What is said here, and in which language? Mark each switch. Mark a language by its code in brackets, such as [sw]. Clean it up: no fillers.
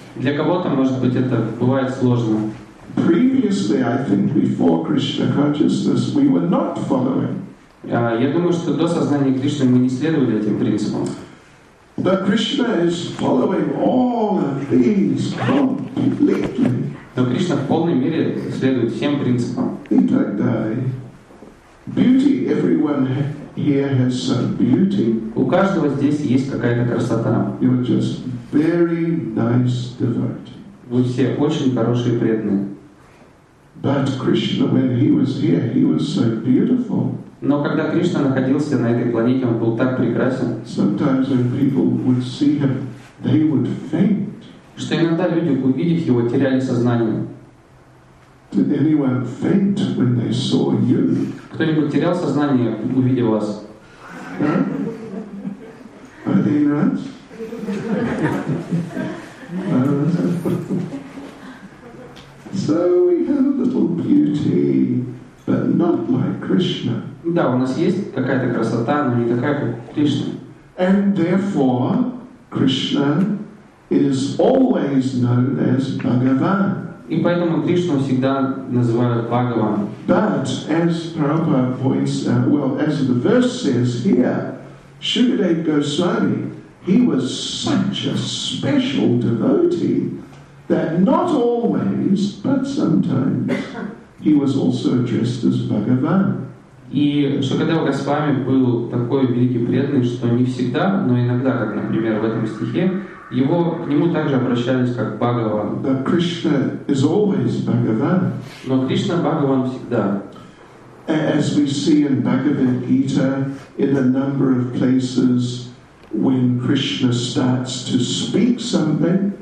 [ru] Для кого-то, может быть, это бывает сложно. [en] Previously, I think, before Krishna consciousness, we were not following. [ru] Я думаю, что до сознания Кришны мы не следовали этим принципам. [en] But Krishna is following all of these completely. [ru] Но Кришна в полной мере следует всем принципам. [en] Beauty. Everyone here has some beauty. [ru] У каждого здесь есть какая-то красота. [en] You are just very nice devotees. [ru] Вы все очень хорошие преданные. [en] But Krishna, when he was here, he was so beautiful. [ru] Но когда Кришна находился на этой планете, он был так прекрасен. [en] Sometimes when people would see him, they would faint. [ru] Что иногда люди, увидев его, теряли сознание. [en] Did anyone faint when they saw you? [ru] Кто-нибудь терял сознание, увидев вас? [en] Are they right? So we have a little beauty, but not like Krishna. [ru] Да, у нас есть какая-то красота, но не такая, как Кришна. [en] And therefore, Krishna is always known as Bhagavan. [ru] И поэтому Кришну всегда называют Бхагаван. [en] But as Prabhupada points out, well, as the verse says here, Shukadev Goswami, he was such a special devotee that not always, but sometimes, he was also addressed as Bhagavan. [ru] И Шукадева Госвами был такой великий преданный, что не всегда, но иногда, как, например, в этом стихе, его, к нему также обращались как Бхагаван. [en] But Krishna is always Bhagavan. [ru] Но Кришна Бхагаван всегда. [en] As we see in Bhagavad Gita, in a number of places, when Krishna starts to speak something.